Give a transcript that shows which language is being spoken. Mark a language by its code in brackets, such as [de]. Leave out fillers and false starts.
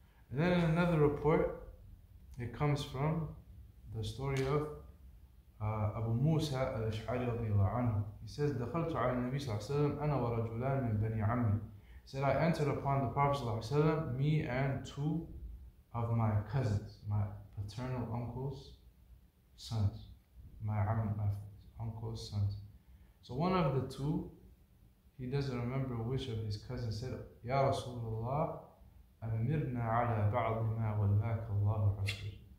[en] And then in another report, it comes from the story of Abu Musa al-Ash'ari radiallahu anhu. He says, [ar] دَخَلْتُ عَلَى النَّبِي صَلَّى اللَّهُ عَلَيْهِ وَسَلَّمَ أَنَا وَرَجُلَانِ مِنْ بَنِي عَمِّي. [en] He said, I entered upon the Prophet صلى الله عليه وسلم, me and two of my cousins, my paternal uncle's sons, my uncle's sons. So one of the two, he doesn't remember which of his cousins, said, Ya Rasulullah, [ar] أَمِرْنَا عَلَى بَعْضِ مَا وَلَّاكَ اللَّهُ رَسُولُ.